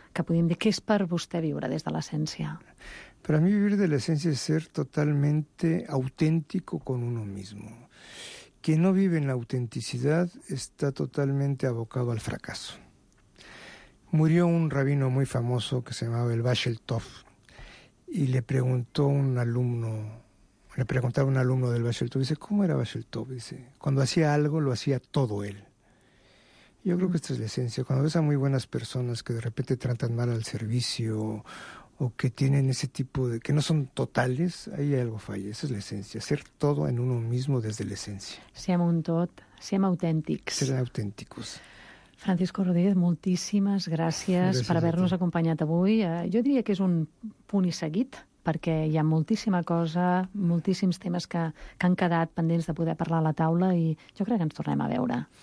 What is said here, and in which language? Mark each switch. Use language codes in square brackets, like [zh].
[ca] Que podríem dir, què és per vostè viure des de l'essència? Per a mi viure de l'essència és ser [es] totalmente auténtico con uno mismo. Quien no vive en la autenticidad está totalmente abocado al fracaso. Murió un rabino muy famoso que se llamaba el Bashel Tov, y le preguntaba un alumno del Bashel Tov, dice, ¿cómo era Bashel Tov? Dice, cuando hacía algo, lo hacía todo él. Yo creo que esta es la esencia. Cuando ves a muy buenas personas que de repente tratan mal al servicio o que tienen ese tipo de, que no son totales, ahí algo falla. Esa es la esencia, ser todo en uno mismo desde la esencia. [ca] Siem un tot, siem auténtics. [es] Ser auténticos. [ca] Francisco Rodríguez, moltíssimes gràcies per haver-nos acompanyat avui. Jo diria que és un punt i seguit, perquè hi ha moltíssima cosa, moltíssims temes que han quedat pendents de poder parlar a la taula, i jo crec que ens tornem a veure.